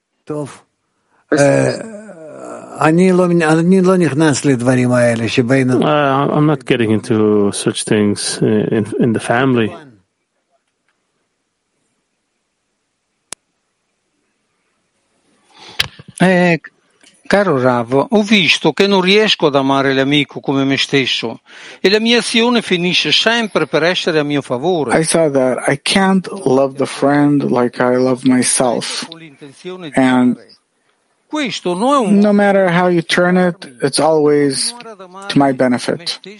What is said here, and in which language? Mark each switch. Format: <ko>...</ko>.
<en>I'm not getting into such things in the family.</en> <it>Caro Rav, ho visto che non riesco ad amare l'amico come me stesso e la mia azione finisce sempre per essere a mio favore.</it> <en>I saw that I can't love the friend like I love myself. And no matter how you turn it, it's always to my benefit.</en>